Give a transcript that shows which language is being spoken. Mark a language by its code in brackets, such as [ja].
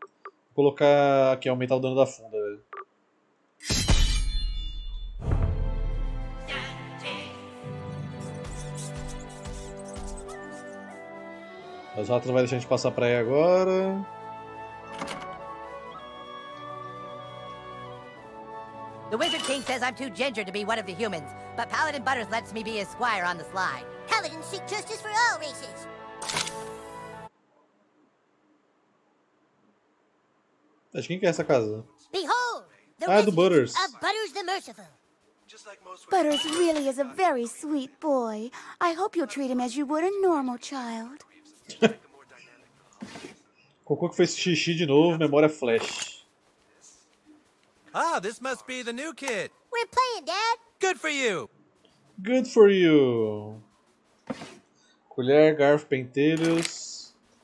[pt] Vou colocar aqui, aumentar o dano da funda, velho. Os ratos não vai deixar a gente passar pra aí agora. [en] The Wizard King says I'm too ginger to be one of the humans, but Paladin Butters lets me be his squire on the sly. Paladins seek justice for all races. [pt] Mas quem que é essa casa? [en] Behold, [pt] the ah, é do Butters. [en] Of Butters the Merciful. Butters really is a very sweet boy. I hope you'll treat him as you would a normal child. [pt] Cocô que fez xixi de novo, memória flash. [en] Ah, this must be the new kid. We're playing, Dad. Good for you. Good for you. [pt] Colher, garfo, pentelhos.